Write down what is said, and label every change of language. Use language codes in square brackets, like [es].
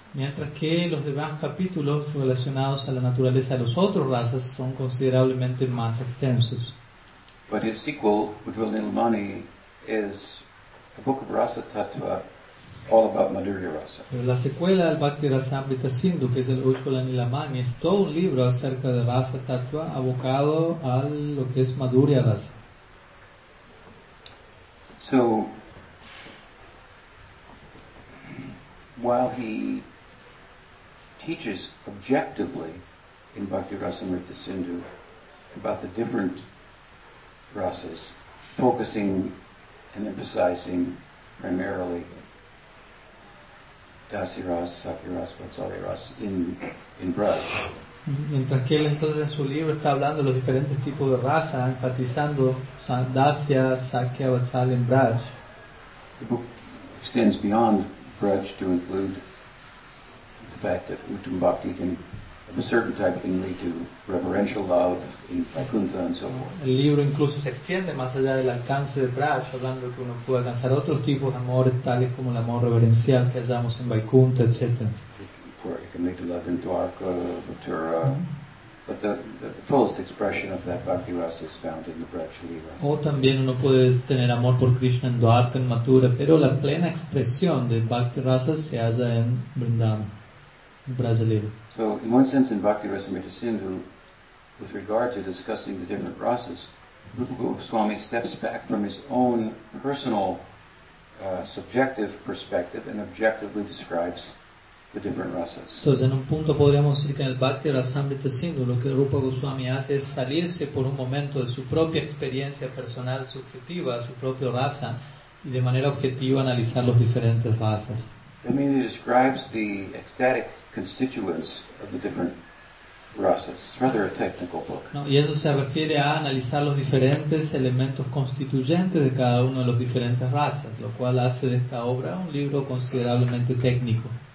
[es] Mientras que los demás capítulos relacionados a la naturaleza de los otros rasas son considerablemente más extensos. [en] But his sequel, Ujjval Nilamani, is the book of Rasa Tattva, all about Madhurya Rasa. [es] Pero la secuela del Bhakti Rasamrita Sindhu, que es el Ushvala Nilamani, es todo un libro acerca de Rasa Tattva abocado a lo que es Madhurya Rasa. [en] So, while he teaches objectively in Bhakti Rasamrita Sindhu about the different rasas, focusing and emphasizing primarily Dasi Ras, Sakhi Ras, Vatsali Ras in Braj. [es] Mientras que él entonces en su libro está hablando de los diferentes tipos de raza, enfatizando Dasya, Sakya, Vatsali, and Braj. [en] The book extends beyond Braj to include the fact that Uttam Bhakti can, of a certain type, can lead to reverential love in Vaikuntha and so forth. [es] El libro incluso se extiende más allá del alcance de Braj, hablando de que uno puede alcanzar otros tipos de amores, tales como el amor reverencial que hallamos en Vaikuntha, etc. [en] It can lead to love in Dwarka, Mathura, but the fullest expression of that Bhakti Rasa is found in the Braj Lila. [es] O también uno puede tener amor por Krishna en Dwarka, en Mathura, pero la plena expresión de Bhakti Rasa se halla en Vrindavan, en Braj Lila. [en] So, in one sense, in Bhakti Rasamrita Sindhu, with regard to discussing the different rasas, Rupa Goswami steps back from his own personal, subjective perspective and objectively describes the different rasas. [es] Entonces, en un punto podríamos decir que en el Bhakti Rasamrita Sindhu, lo que Rupa Goswami hace es salirse por un momento de su propia experiencia personal subjetiva, su propia raza, y de manera objetiva analizar los diferentes rasas. [en] That means he describes the ecstatic constituents of the different rasas. It's rather a technical book. [es] No, y eso se refiere a analizar los diferentes elementos constituyentes de cada uno de los diferentes razas, lo cual hace de esta obra un libro considerablemente técnico.